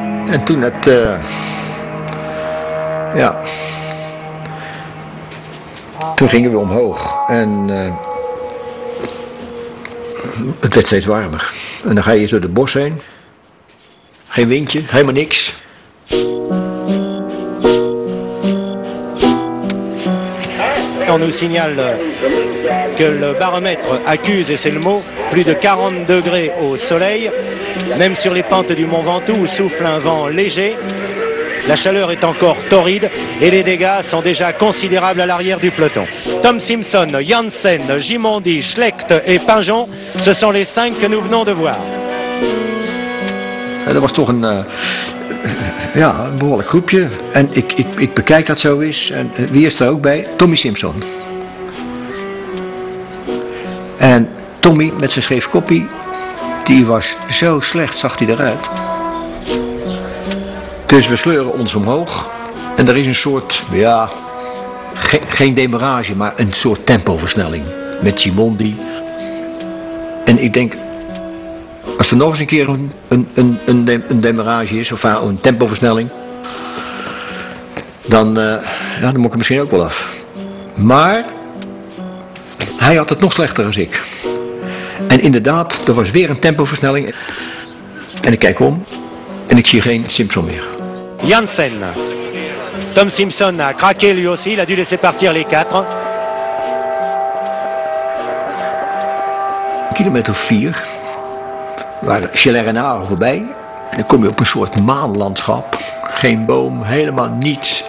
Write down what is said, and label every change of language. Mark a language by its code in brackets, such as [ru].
[nl] En toen het, toen gingen we omhoog en het werd steeds warmer. En dan ga je door de bos heen, geen windje, helemaal niks. [fr] On nous signale que le baromètre accuse, et c'est le mot, plus de 40 degrés au soleil. Même sur les pentes du Mont Ventoux où souffle un vent léger, la chaleur est encore torride et les dégâts sont déjà considérables à l'arrière du peloton. Tom Simpson, Janssen, Gimondi, Schlecht et Pinjon, ce sont les cinq que nous venons de voir. [nl] Dat was toch een behoorlijk groepje. En ik bekijk dat zo eens. En wie is er ook bij? Tommy Simpson. En Tommy met zijn scheef koppie, die was zo slecht, zag hij eruit. Dus we sleuren ons omhoog. En er is een soort, geen demarrage, maar een soort tempoversnelling. Met Gimondi. En ik denk, als er nog eens een keer een demarrage is, of een tempoversnelling, dan moet ik er misschien ook wel af. Maar hij had het nog slechter dan ik. En inderdaad, er was weer een tempoversnelling. En ik kijk om en ik zie geen Simpson meer. Janssen. [fr] Tom Simpson a craqué lui aussi, il a dû laisser partir les quatre. [nl] kilometer 4, waar Chalerenaar voorbij. En dan kom je op een soort maanlandschap. Geen boom, helemaal niets.